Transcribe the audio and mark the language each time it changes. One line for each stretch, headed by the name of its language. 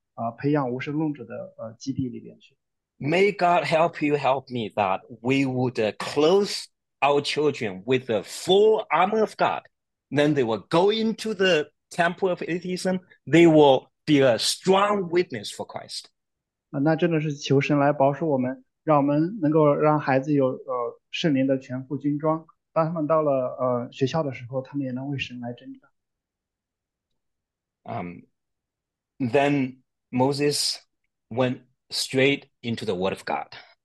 Chinese: 那么这个人他就说，无神论也是一种信仰，而最大的无神论信仰的基地就是学校，就是公立学校。想象一下，如果我们把我们的孩子送到哈佛或者送到其他的很好的学校，我们其实是把他们送到了一个培养无神论者的基地里边去。
English: May God help you help me that we would clothe our children with the full armor of God. Then they will go into the temple of atheism. They will be a strong witness for Christ.
Chinese: 那真的是求神来保守我们，让我们能够让孩子有圣灵的全副军装。当他们到了学校的时候，他们也能为神来征战。
English: Then Moses went straight into the word of God.